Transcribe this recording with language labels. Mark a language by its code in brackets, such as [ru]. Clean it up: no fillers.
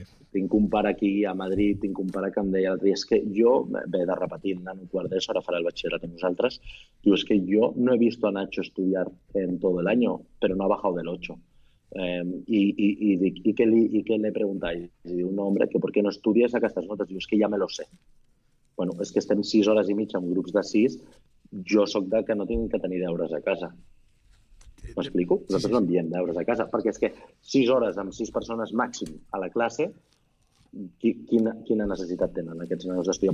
[ca] Tinc un pare aquí a Madrid, tinc un pare que em deia l'altre dia, és que jo, bé, de repetir, nano quart d'ESO, ara farà el batxillerat amb nosaltres, diu, és que jo [es] no he visto a Nacho estudiar en todo el año, pero no ha bajado del 8. [ca] I què li preguntáis? [es] Diu, no, hombre, que por qué no estudies [ca] aquestes notes? Diu, és que ja [es] me lo sé. [ca] Bueno, és que estem 6 hores i mitja en grups de 6, jo sóc de que no tinc que tenir deures a casa. M'explico? Nosaltres no enviem deures a casa, perquè és que 6 hores amb 6 persones màxim a la classe, quina necessitat tenen aquests nanos d'estudiar?